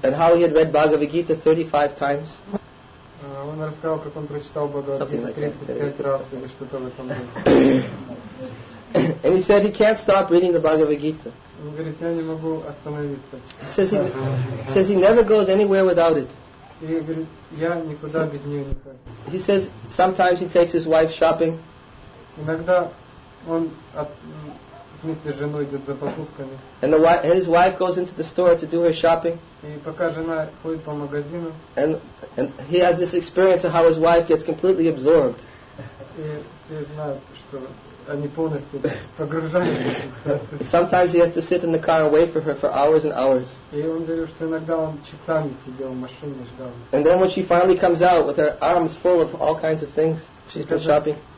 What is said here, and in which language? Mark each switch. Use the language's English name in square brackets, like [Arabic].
[English] And how he had read Bhagavad Gita 35 times. [Russian] Он рассказал, как он прочитал Бхагавад Гиту 35 раз или что-то в этом роде. [English] And he said he can't stop reading the Bhagavad Gita. [Russian] Он говорит, я не могу остановиться. [English] He says he never goes anywhere without it. [Russian] И говорит, я никуда без нее не хожу. [English] He says sometimes he takes his wife shopping. [Russian] Иногда он вместе с женой идет за покупками. [English] And his wife goes into the store to do her shopping. [Russian] И пока жена ходит по магазину. [English] And he has this experience of how his wife gets completely absorbed. [Russian] И все знают, что они полностью погружаются. [English] Sometimes he has to sit in the car and wait for her for hours and hours. [Russian] И он говорит, что иногда он часами сидел в машине, ждал. [English] And then when she finally comes out with her arms full of all kinds of things, she's been shopping.